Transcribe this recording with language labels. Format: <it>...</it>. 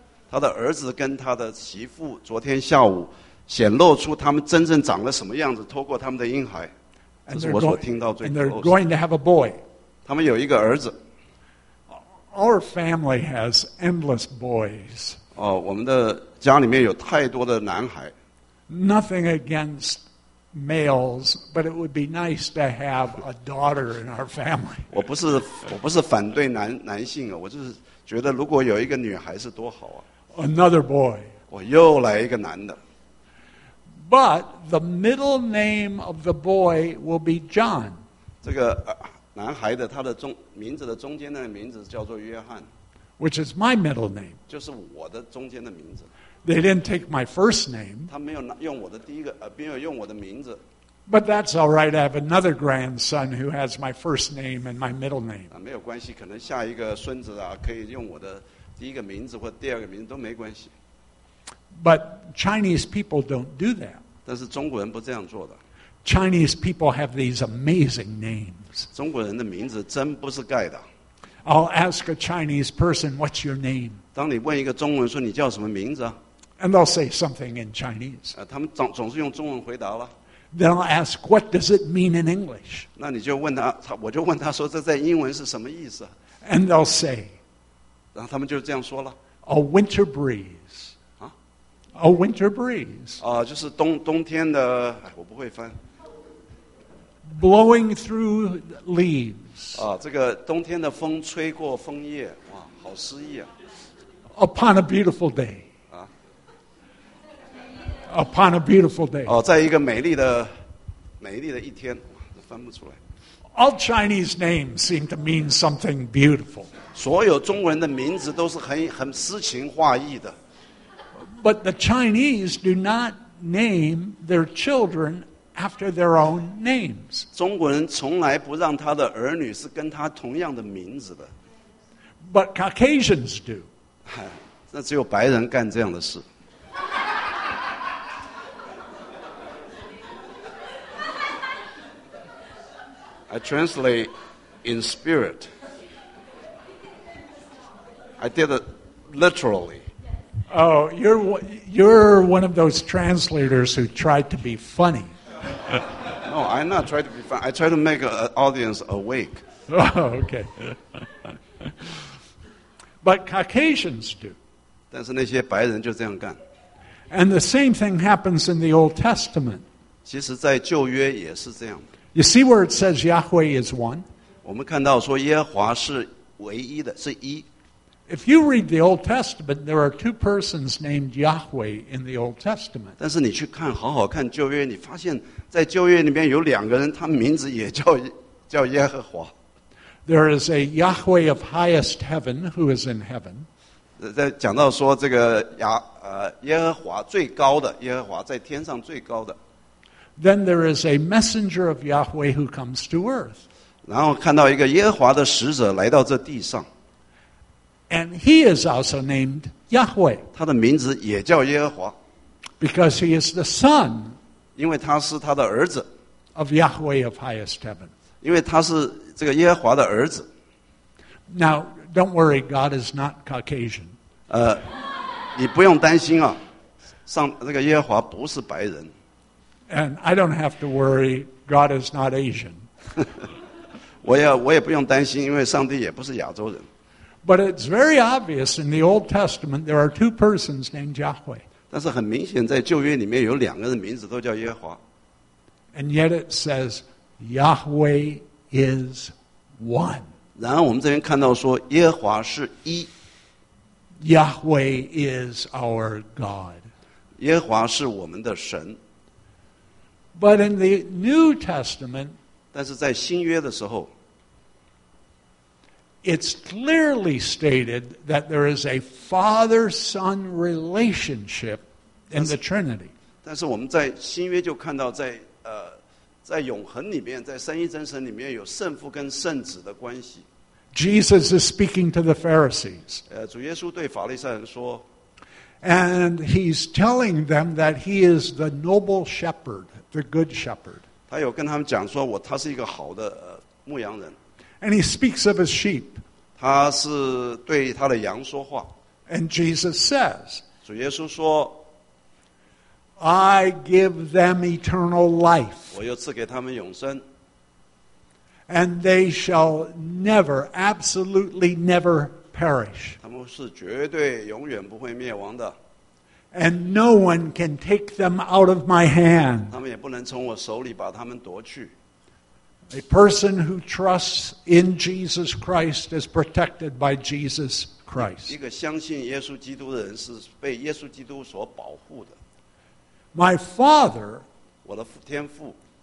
<zh>他的儿子跟他的媳妇昨天下午显露出他们真正长了什么样子，透过他们的婴孩。这是我所听到最</zh> <en>And they're going to have a boy.</en> <zh>他们有一个儿子。</zh> <en>Our family has endless boys.</en> <zh>我们的家里面有太多的男孩。</zh> <en>Nothing against males, but it would be nice to have a daughter in our family.</en> <zh>我不是反对男性啊，我就是觉得如果有一个女孩是多好啊。</zh> <en>Another boy.</en> <zh>我又来一个男的。</zh> <en>But the middle name of the boy will be John.</en> <zh>这个男孩的他的中名字的中间的名字叫做约翰。</zh> <en>Which is my middle name.</en> <zh>就是我的中间的名字。</zh> <en>They didn't take my first name.</en> <zh>他没有用我的第一个，没有用我的名字。</zh> <en>But that's all right. I have another grandson who has my first name and my middle name.</en> <zh>没有关系，可能下一个孙子啊，可以用我的第一个名字或第二个名字都没关系。</zh> <en>But Chinese people don't do that.</en> <zh>但是中国人不这样做的。</zh> <en>Chinese people have these amazing names.</en> <zh>中国人的名字真不是盖的。</zh> <en>I'll ask a Chinese person, "What's your name?"</en> <zh>当你问一个中文说你叫什么名字啊</zh> <en>？And they'll say something in Chinese.</en> <zh>他们总是用中文回答了。</zh> <en>Then I'll ask, "What does it mean in English?"</en> <zh>那你就问他，我就问他说这在英文是什么意思</zh> <en>？And they'll say,</en> <zh>然后他们就这样说了</zh> <en>，"A winter breeze." 啊，"A winter breeze."</en> <zh>就是冬天的，我不会翻。</zh> <en>Blowing through leaves.</en> <zh>这个冬天的风吹过枫叶，哇，好诗意啊</zh> <en>！Upon a beautiful day. 啊，Upon a beautiful day.</en> <zh>在一个美丽的一天，翻不出来。</zh> <en>All Chinese names seem to mean something beautiful.</en> <zh>所有中文的名字都是很诗情画意的。</zh> <en>But the Chinese do not name their children. After their own names.</en> <zh>中国人从来不让他的儿女是跟他同样的名字的。</zh> <en>But Caucasians do.</en> <zh>那只有白人干这样的事。</zh> <en>I translate in spirit. I did it literally. Oh, you're one of those translators who tried to be funny. No, I'm not trying to be fine. I try to make an audience awake. Oh, okay. But Caucasians do.</en> <zh>但是那些白人就这样干。</zh> <en>And the same thing happens in the Old Testament.</en> <zh>其实在旧约也是这样的。</zh> <en>You see where it says Yahweh is one?</en> <zh>我们看到说耶和华是唯一的，是一。</zh> <en>If you read the Old Testament, there are two persons named Yahweh in the Old Testament.</en> <zh>但是你去看，好好看旧约，你发现在旧约里面有两个人，他们名字也叫耶和华。</zh> <en>There is a Yahweh of highest heaven who is in heaven.</en> <zh>在讲到说这个耶和华最高的，耶和华在天上最高的。</zh> <en>Then there is a messenger of Yahweh who comes to earth.</en> <zh>然后看到一个耶和华的使者来到这地上。</zh> <en>And he is also named Yahweh.</en> <zh>他的名字也叫耶和华。</zh> <en>Because he is the son.</en> <zh>因为他是他的儿子。</zh> <en>Of Yahweh of highest heaven.</en> <zh>因为他是这个耶和华的儿子。</zh> <en>Now, don't worry, God is not Caucasian.</en> <zh>你不用担心啊，这个耶和华不是白人。</zh> <en>And I don't have to worry, God is not Asian.</en> <zh>我也不用担心，因为上帝也不是亚洲人。</zh> <en>But it's very obvious in the Old Testament there are two persons named Yahweh.</en> <zh>但是很明显，在旧约里面有两个人名字都叫耶和华。</zh> <en>And yet it says Yahweh is one.</en> <zh>然后我们这边看到说耶和华是一。</zh> <en>Yahweh is our God.</en> <zh>耶和华是我们的神。</zh> <en>But in the New Testament,</en> <zh>但是在新约的时候</zh> <en>it's clearly stated that there is a Father-Son relationship in the Trinity.</en> <zh>但是我们在新约就看到在永恒里面，在三一真神里面有圣父跟圣子的关系。</zh> <en>Jesus is speaking to the Pharisees.</en> <zh>主耶稣对法利赛人说。</zh> <en>And he's telling them that he is the noble shepherd, the good shepherd.</en> <zh>他有跟他们讲说他是一个好的牧羊人。</zh> <en>And he speaks of his sheep.</en> <zh>他是对他的羊说话。</zh> <en>And Jesus says,</en> <zh>主耶稣说,</zh> <en>I give them eternal life.</en> <zh>我又赐给他们永生。</zh> <en>And they shall never, absolutely never perish.</en> <zh>他们是绝对永远不会灭亡的。</zh> <en>And no one can take them out of my hand.</en> <zh>他们也不能从我手里把他们夺去。</zh> <en>A person who trusts in Jesus Christ is protected by Jesus Christ.</en> <zh>一个相信耶稣基督的人是被耶稣基督所保护的。</zh> <en>My Father,</en> <zh>我的天父,</zh>